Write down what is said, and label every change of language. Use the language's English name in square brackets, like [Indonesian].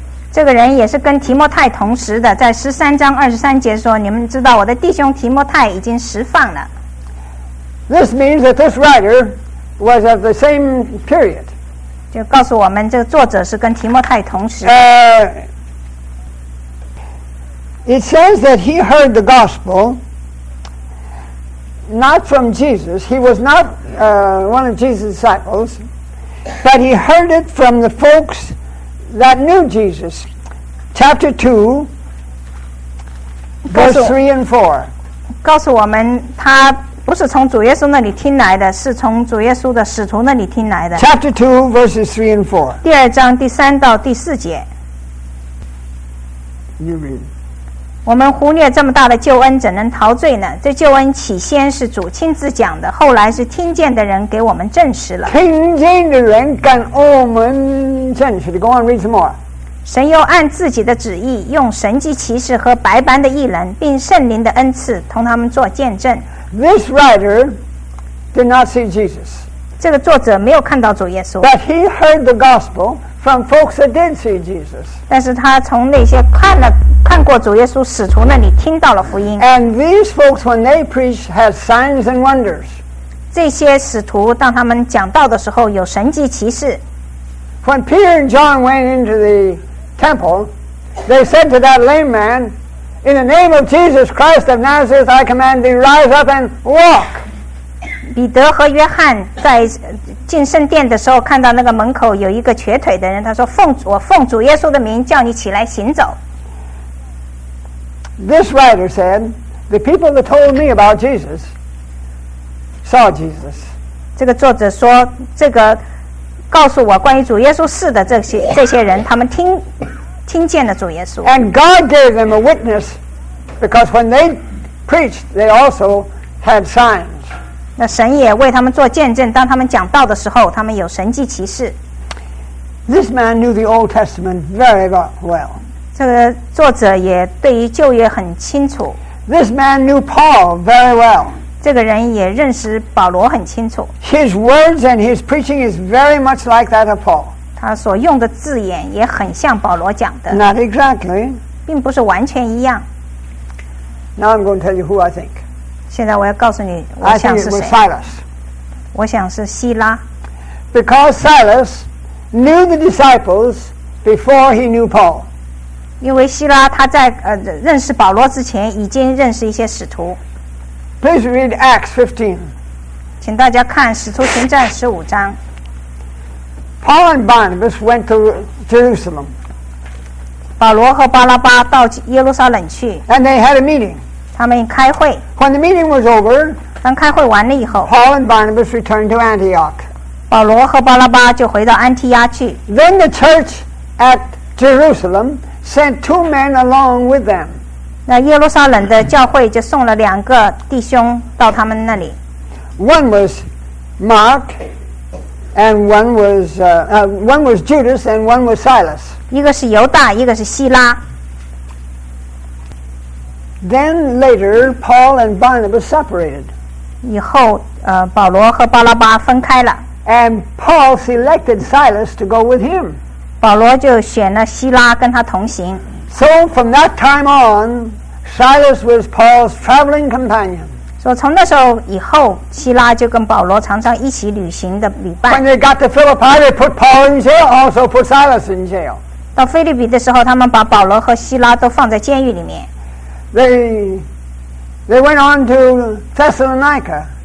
[Chinese] 这个人也是跟提摩太同时的，在十三章二十三节说：“你们知道我的弟兄提摩太已经释放了。” [English] This means that this writer was of the same period. [Chinese] 就告诉我们这个作者是跟提摩太同时的。 [English] It says that he heard the gospel not from Jesus. He was not one of Jesus' disciples, but he heard it from the folks that knew Jesus. Chapter 2, verse 3 and 4. [Chinese] 告诉我们他不是从主耶稣那里听来的，是从主耶稣的使徒那里听来的。 [English] Chapter 2, verses 3 and 4. [Chinese] 第二章第三到第四节。 [English] You read. [Chinese] 我们忽略这么大的救恩，怎能陶醉呢？这救恩起先是主亲自讲的，后来是听见的人给我们证实了。听见的人跟我们证实的。 [English] Go on, read some more. [Chinese] 神又按自己的旨意，用神迹奇事和百般的异能，并圣灵的恩赐，同他们做见证。 [English] This writer did not see Jesus. [Chinese] 这个作者没有看到主耶稣。 [English] But he heard the gospel from folks that did see Jesus. [Chinese] 但是他从那些看过主耶稣使徒那里听到了福音。 [English] And these folks, when they preach, had signs and wonders. [Chinese] 这些使徒当他们讲道的时候，有神迹奇事。 [English] When Peter and John went into the temple, they said to that lame man, "In the name of Jesus Christ of Nazareth, I command thee, rise up and walk." [Chinese] 彼得和约翰在进圣殿的时候，看到那个门口有一个瘸腿的人，他说：“我奉主耶稣的名，叫你起来行走。” [English] This writer said, "The people that told me about Jesus saw Jesus." [Chinese] 这个作者说这个。告诉我关于主耶稣事的这些人，他们听见了主耶稣。 [English] And God gave them a witness, because when they preached, they also had signs. [Chinese] 那神也为他们做见证，当他们讲道的时候，他们有神迹奇事。 [English] This man knew the Old Testament very well. [Chinese] 这个作者也对于旧约很清楚。 [English] This man knew Paul very well. [Chinese] 这个人也认识保罗很清楚。 [English] His words and his preaching is very much like that of Paul. [Chinese] 他所用的字眼也很像保罗讲的。 [English] Not exactly. [Chinese] 并不是完全一样。 [English] Now I'm going to tell you who I think. [Chinese] 现在我要告诉你，我想是谁。 [English] I think it was Silas. [Chinese] 我想是希拉。 [English] Because Silas knew the disciples before he knew Paul. [Chinese] 因为希拉他在认识保罗之前，已经认识一些使徒。 [English] Please read Acts 15. [Chinese] 请大家看《使徒行传》十五章。 [English] Paul and Barnabas went to Jerusalem. [Chinese] 保罗和巴拉巴到耶路撒冷去。 [English] And they had a meeting. [Chinese] 他们开会。 [English] When the meeting was over, [Chinese] 当开会完了以后 [English] ，Paul and Barnabas returned to Antioch. [Chinese] 保罗和巴拉巴就回到安提亚去。 [English] Then the church at Jerusalem sent two men along with them. [Chinese] 那耶路撒冷的教会就送了两个弟兄到他们那里。 [English] One was Mark, and one was Judas, and one was Silas. [Chinese] 一个是犹大，一个是希拉。 [English] Then later, Paul and Barnabas separated. [Chinese] 以后，保罗和巴拉巴分开了。 [English] And Paul selected Silas to go with him. [Chinese] 保罗就选了希拉跟他同行。 [English] So from that time on, Silas was Paul's traveling companion. [Chinese] 所以从那时候以后，希拉就跟保罗常常一起旅行的旅伴。 [English] When they got to Philippi, they put Paul in jail, also put Silas in jail. [Chinese] 到腓立比的时候，他们把保罗和希拉都放在监狱里面。 [English] They went on to Thessalonica.